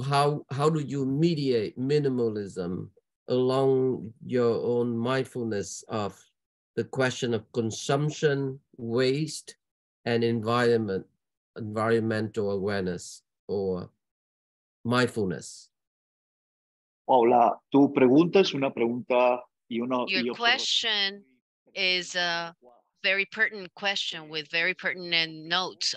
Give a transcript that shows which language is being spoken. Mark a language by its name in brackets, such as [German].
[English] So how do you mediate minimalism along your own mindfulness of the question of consumption, waste, and environmental awareness or mindfulness? [Spanish] Paula, tu pregunta es una pregunta y una. [English] Your question is a very pertinent question with very pertinent notes.